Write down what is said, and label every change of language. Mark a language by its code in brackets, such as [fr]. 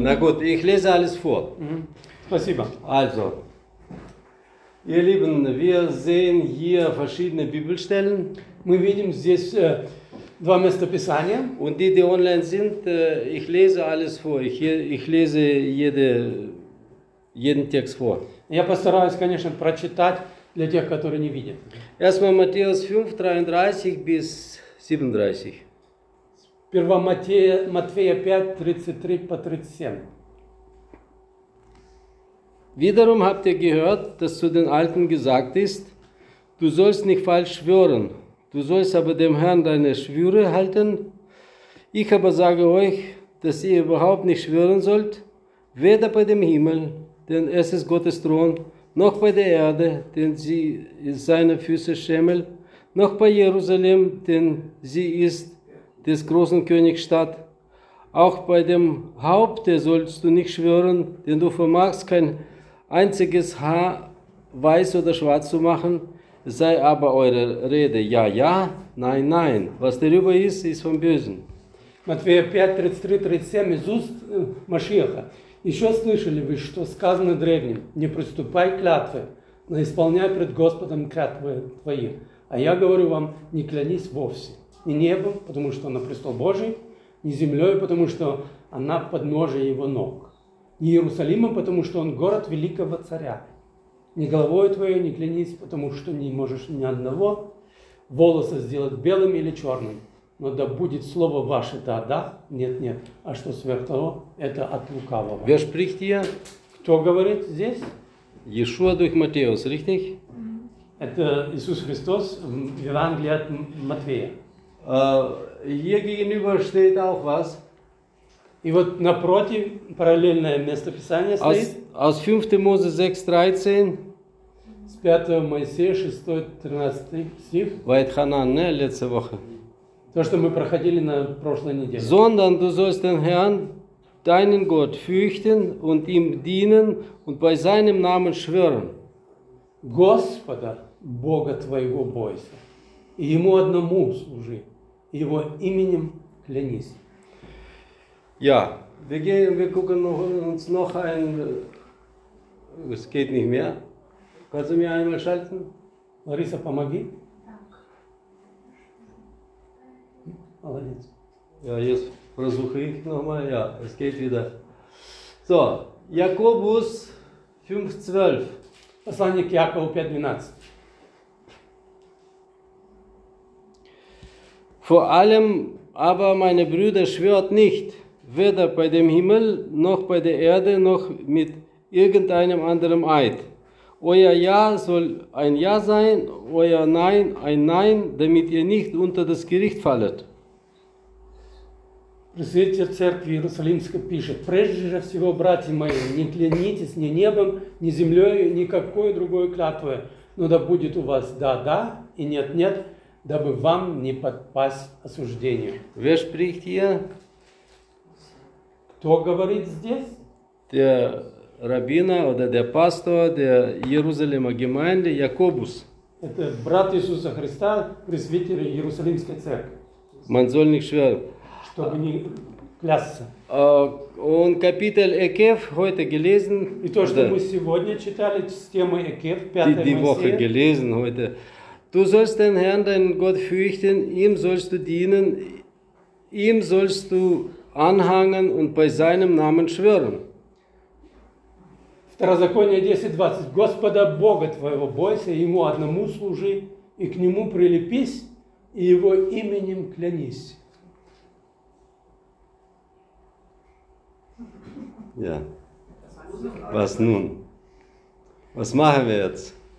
[de] Na gut, ich lese alles vor. Also, ihr Lieben, wir sehen hier verschiedene Bibelstellen. [ru] Мы видим здесь два места писания. [de] Und die online sind, ich lese alles vor. Ich lese jeden Text vor. [ru] Я постараюсь, конечно, прочитать для тех, которые не видят. [de] Erstmal Matthäus 5:33 bis 37. [ru] Матфея 5:33 по 37. [de] Wiederum habt ihr gehört, dass zu den Alten gesagt ist, du sollst nicht falsch schwören, du sollst aber dem Herrn deine Schwüre halten. Ich aber sage euch, dass ihr überhaupt nicht schwören sollt, weder bei dem Himmel, denn es ist Gottes Thron, noch bei der Erde, denn sie ist seine Füße Schemel, noch bei Jerusalem, denn sie ist des großen Königsstadt. Auch bei dem Haupte sollst du nicht schwören, denn du vermagst kein einziges Haar weiß oder schwarz zu machen. Sei aber eure Rede ja, ja, nein, nein. Was darüber ist, ist vom Bösen. [ru] Матфея 5:33-37 из уст Машиаха. Еще слышали вы, что сказано древним: не приступай клятвы, но исполняй пред Господом клятвы твои. А я говорю вам, не клянись вовсе. Ни небом, потому что на престол Божий, ни землей, потому что она подножие его ног, ни Иерусалимом, потому что он город великого царя, ни головой твоей не клянись, потому что не можешь ни одного волоса сделать белым или черным, но да будет слово ваше да, да, нет, нет, а что сверх того, это от лукавого. [de] Wer spricht hier? [ru] Кто говорит здесь? Иешуа дух Матфеус, [de] richtig? [ru] Это Иисус Христос в Евангелии от Матфея. [de] Hier gegenüber steht auch was. [ru] И вот напротив параллельное место Писания стоит. [de] Aus 5. Mose 6, 13. [ru] С 5 Моисея 6, 13 стих. [de] Ваетханан, не, letzte Woche. [ru] То, что мы проходили на прошлой неделе. [de] Sondern du sollst den Herrn, deinen Gott, fürchten und ihm dienen und bei seinem Namen schwören. [ru] Господа, Бога твоего бойся, и ему одному служи, его именем клянись. [de] Ja, wir gucken noch, uns noch ein. Es geht nicht mehr. Kannst du mir einmal schalten? [ru] Larissa, помоги. [de] Ja, jetzt versuche ich nochmal. Ja, es geht wieder. So, Jakobus 5,12. Посланник Якова 5,12. Vor allem aber, meine Brüder, schwört nicht. Weder bei dem Himmel, noch bei der Erde, noch mit irgendeinem anderen Eid. Euer Ja soll ein Ja sein, euer Nein ein Nein, damit ihr nicht unter das Gericht fallet. [ru] Пресвитер Церкви Иерусалимской пишет: «Прежде всего, братья мои, не клянитесь ни небом, ни землей, ни какой другой клятвой, но да будет у вас да-да и нет-нет, дабы вам не подпасть осуждению». [de] Wer spricht hier? [ru] Кто говорит здесь? [de] Der Rabbiner oder der Pastor der Jerusalemer Gemeinde, Jakobus. [ru] Это брат Иисуса Христа, пресвитер Иерусалимской Церкви. [de] Man soll nicht schwören. [ru] Чтобы не клясться. Он [de] Kapitel Ekev heute gelesen. [ru] И то, что мы сегодня читали с темой Ekev, 5 Моисея. [de] Die Woche gelesen heute. Du sollst den Herrn, deinen Gott, fürchten, ihm sollst du dienen, ihm sollst du anhangen und bei seinem Namen schwören. [ru] Второзаконие 10:20. Господа Бога твоего бойся, ему одному служи и к нему прилепись и его именем клянись. [de] Ja. Was nun? Was machen wir jetzt?